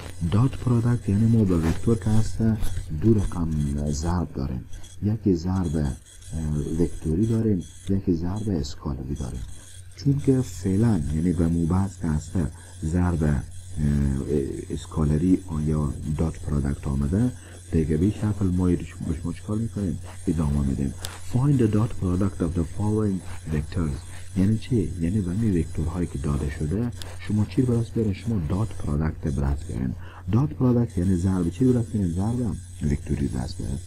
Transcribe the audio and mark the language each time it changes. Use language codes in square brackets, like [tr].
[fa] دات پرادکت یعنی ما به وکتور که هسته دو رقم ضرب داریم، یکی ضرب وکتوری داریم یکی ضرب اسکالری داریم. چون که فعلا یعنی به موبعث که هسته ضرب اسکالری یا دات پرادکت آمده دیگه بی شکل ما بشما چکار میکنیم ادامه میدیم. [en] Find the dot product of the following vectors. [fa] یعنی چی؟ یعنی بمی وکتور هایی که داده شده شما چی برست بیارین؟ شما dot product برست بیارین. dot product یعنی ضرب چی برست بیارین؟ ضرب هم وکتوری برست بیارین.